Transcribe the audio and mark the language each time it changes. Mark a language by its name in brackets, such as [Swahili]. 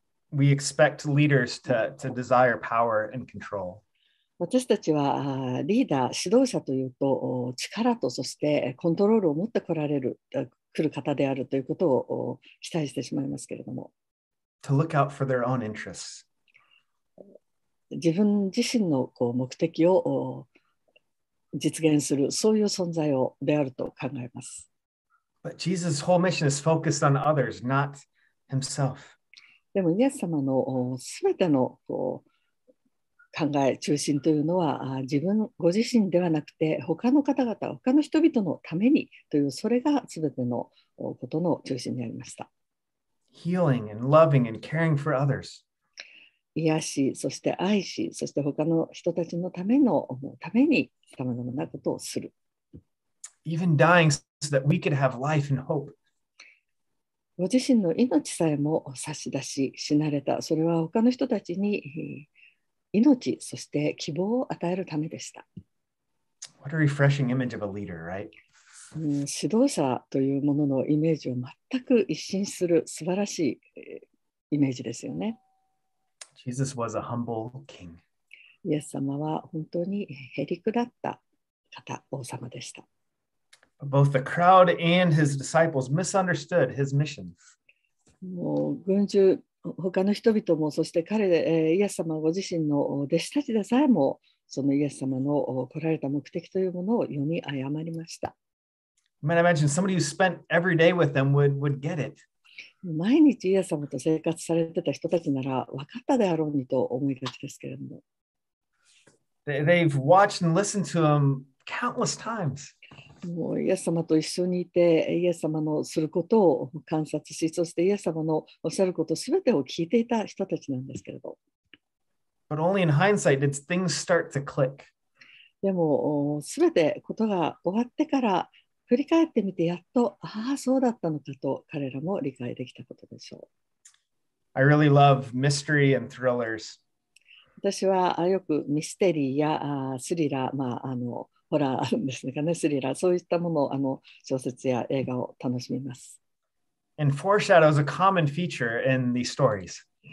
[English] We expect leaders to desire power and control. [Japanese] 私たちはリーダー、指導者というと力とそしてコントロールを持ってこられる、来る方であるということを期待してしまいますけれども。 [English] To look out for their own interests. [Japanese] 自分自身のこう目的を実現するそういう存在をであると考えます。 [English] But Jesus' whole mission is focused on others, not himself. [Japanese] でもイエス様のすべてのこう考え中心というのは自分ご自身ではなくて他の方々、他の人々のためにというそれがすべてのことの中心にありました。 [English] Healing and loving and caring for others. [Japanese] 癒し、そして愛し、そして他の人たちのための、ために様々なことをする。 [English] Even dying so that we could have life and hope. [Japanese] ご自身の命さえも差し出し、死なれた。それは他の人たちに命、そして希望を与えるためでした。 [English] What a refreshing image of a leader, right? [Japanese] 指導者というもののイメージを全く一新する素晴らしいイメージですよね。 [English] Jesus was a humble king. [Japanese] イエス様は本当にへりくだった方、王様でした。 [English] Both the crowd and his disciples misunderstood his mission. [Japanese] もう群衆、他の人々も、そして彼、イエス様ご自身の弟子たちでさえも、そのイエス様の来られた目的というものを読み誤りました。 [English] You might imagine somebody who spent every day with them would get it. [Japanese] 毎日イエス様と生活されてた人たちなら分かったであろうにと思いがちですけれども。 [English] They've watched and listened to him countless times. [Japanese] もうイエス様と一緒にいてイエス様のすることを観察しそしてイエス様のおっしゃることすべてを聞いていた人たちなんですけれど [English] But only in hindsight did things start to click. [Japanese] でもすべてことが終わってから振り返ってみてやっと、ああそうだったのかと彼らも理解できたことでしょう。 [English] I really love mystery and thrillers. [Japanese] 私はよくミステリーやスリラー、まあホラーあるんですかね、スリラー、そういったものを小説や映画を楽しみます。 [English] And foreshadow is a common feature in these stories.